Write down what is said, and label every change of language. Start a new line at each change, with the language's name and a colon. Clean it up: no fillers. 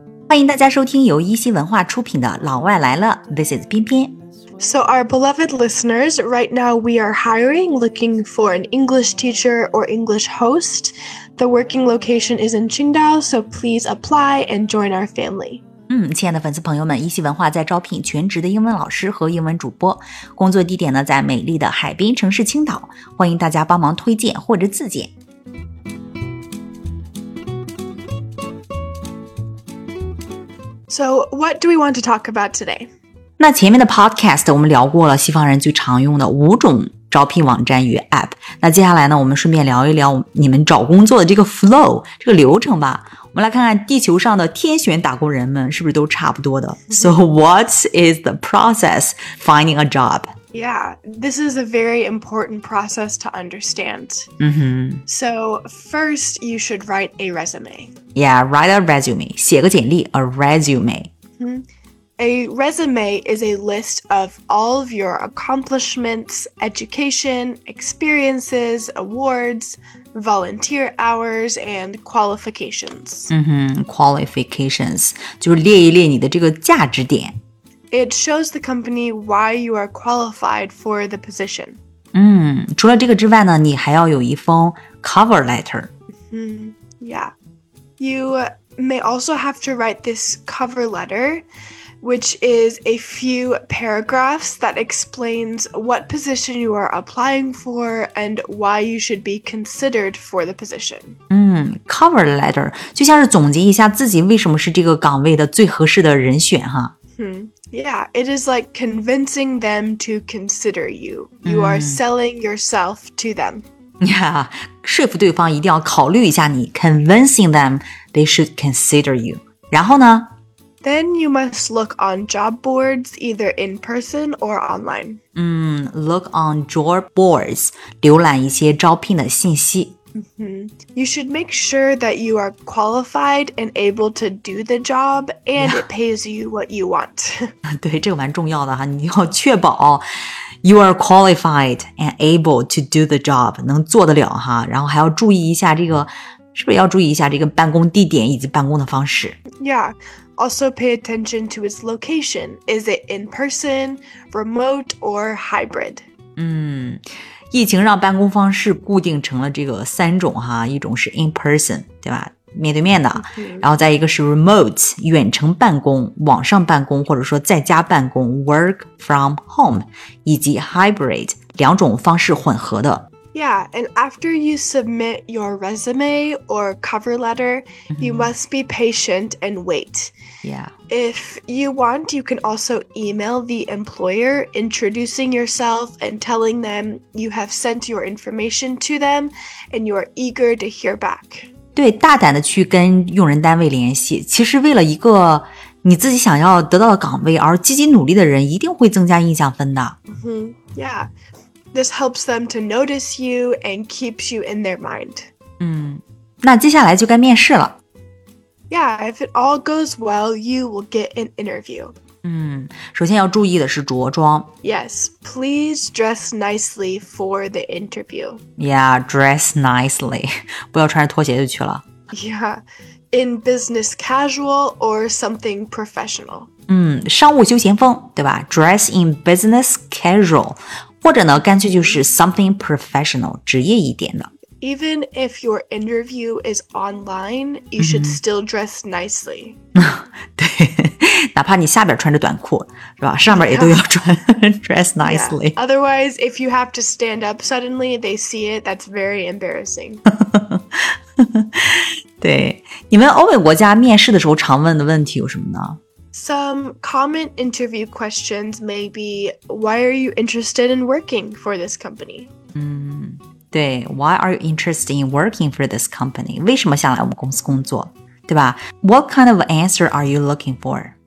Chinese: 欢迎大家收听由一席文化出品的《老外来了》。
English: This is 彬彬。 So our beloved listeners, right now we are hiring, looking for an English teacher or English host. The working location is in Qingdao, so please apply and join our family.
Chinese: 亲爱的粉丝朋友们，一席文化在招聘全职的英文老师和英文主播，工作地点呢在美丽的海滨城市青岛，欢迎大家帮忙推荐或者自荐。
English: So what do we want to talk about today?
Chinese: 那前面的 podcast 我们聊过了西方人最常用的五种招聘网站与 app。那接下来呢我们顺便聊一聊你们找工作的这个 flow, 这个流程吧。我们来看看地球上的天选打工人们是不是都差不多的。
English: So what is the process finding a job? Yeah, this is a very important process to understand. Mm-hmm. So first, you should write a resume. Yeah, write a resume.
Chinese: 写个简历
English: a resume. Mm-hmm. A resume is a list of all of your accomplishments, education, experiences, awards, volunteer hours, and qualifications. Mm-hmm. Qualifications.
Chinese: 就是列一列你的这个价值点。
English: It shows the company why you are qualified for the position.
Chinese: 除了这个之外呢，你还要有一封 cover letter.
English: Yeah. You may also have to write this cover letter, which is a few paragraphs that explains what position you are applying for and why you should be considered for the position.
Chinese: Cover letter 就像是总结一下自己为什么是这个岗位的最合适的人选哈。
English: Yeah, it is like convincing them to consider you. You are selling yourself to them. Yeah,
Chinese: 说服对方一定要考虑一下你
English: convincing them they should consider you.
Chinese: 然后呢?
English: Then you must look on job boards, either in person or online. Look on job boards,
Chinese: 浏览一些招聘的信息。
English: You should make sure that you are qualified and able to do the job, and it pays you what you want.
Chinese: 对，这个蛮重要的哈，你要确保
English: you are qualified and able to do the job,
Chinese: 能做得了哈，然后还要注意一下这个，是不是要注意一下这个办公地点以及办公的方式？
English: Yeah, also pay attention to its location. Is it in person, remote, or hybrid?
Chinese: 疫情让办公方式固定成了这个三种哈，一种是 in person, 对吧？面对面的，然后再一个是 remote, 远程办公，网上办公或者说在家办公 work from home, 以及 hybrid, 两种方式混合的。
English: Yeah, and after you submit your resume or cover letter, you must be patient and wait. Yeah. If you want, you can also email the employer introducing yourself and telling them you have sent your information to them and you are eager to hear back.
Chinese: 对，大胆的去跟用人单位联系，其实为了一个你自己想要得到的岗位而积极努力的人一定会增加印象分的。
English: Yeah. This helps them to notice you and keeps you in their mind.
Chinese: 那接下来就该面试了。
English: Yeah, if it all goes well, you will get an interview.
Chinese: 首先要注意的是着装。
English: Yes, please dress nicely for the interview. Yeah, dress nicely.
Chinese: 不要穿着拖鞋就去了。
English: Yeah, in business casual or something professional.
Chinese: 商务休闲风，对吧？
English: Dress in business casual.
Chinese: 或者呢，干脆就是
English: something professional,
Chinese: 职业一点的。
English: Even if your interview is online, you should still dress nicely.
Chinese: 对，哪怕你下边穿着短裤，是吧？上面也都要穿
English: dress nicely. Yeah. Otherwise, if you have to stand up suddenly, they see it, that's very embarrassing.
Chinese: 对，你们欧美国家面试的时候常问的问题有什么呢？
English: Some common interview questions may be, why are you interested in working for this company? 对 why are you interested in working for this company?
Chinese: 为什么想来我们公司工作对吧
English: What kind of answer are you looking for?